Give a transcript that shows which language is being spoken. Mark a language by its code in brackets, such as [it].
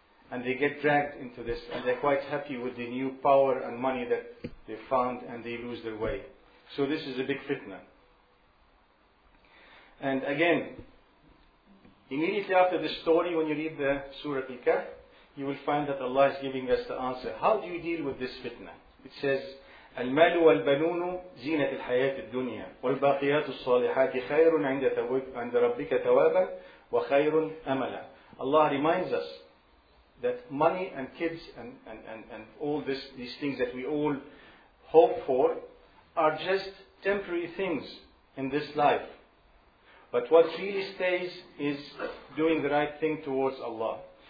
[en] And they get dragged into this, and they're quite happy with the new power and money that they found, and they lose their way. So this is a big fitna. And again, immediately after the story, when you read the Surah Al-Kahf, you will find that Allah is giving us the answer. How do you deal with this fitna? It says, [ar] المال والبنون زينة الحياة الدنيا والباقيات الصالحات خير عند ربك ثوابا وَخَيْرٌ أَمَلًا. [en] Allah reminds us that money and kids and all this, these things that we all hope for are just temporary things in this life. But what really stays is doing the right thing towards Allah.